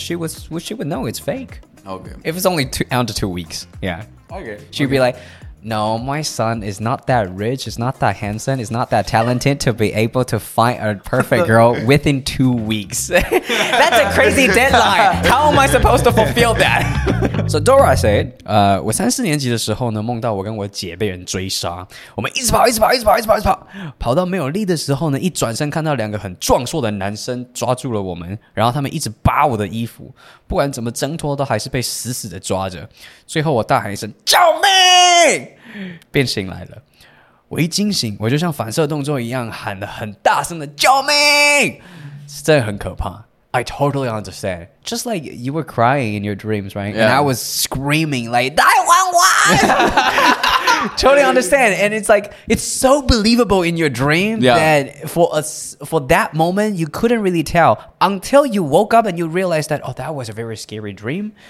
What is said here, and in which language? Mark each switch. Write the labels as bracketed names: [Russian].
[English] She would know it's fake. Okay. If it's only under two weeks. Yeah. Okay. She'd be like, no, my son is not that rich. Is not that handsome. Is not that talented to be able to find a perfect girl within 2 weeks. That's a crazy deadline. How am I supposed to fulfill that? So Dora said, [Chinese] 我三四年级的时候呢，梦到我跟我姐被人追杀，我们一直跑，一直跑，一直跑，一直跑，一直跑，跑到没有力的时候呢，一转身看到两个很壮硕的男生抓住了我们，然后他们一直扒我的衣服，不管怎么挣脱都还是被死死的抓着。最后我大喊一声，救命！便醒来了。我一惊醒，我就像反射动作一样喊了很大声的救命，真的很可怕。 [English] I totally understand. Just like you were crying in your dreams, right? Yeah. And I was screaming like, 911! Totally understand. And it's like, it's so believable in your dream that for that moment, you couldn't really tell until you woke up and you realized that, oh, that was a very scary dream.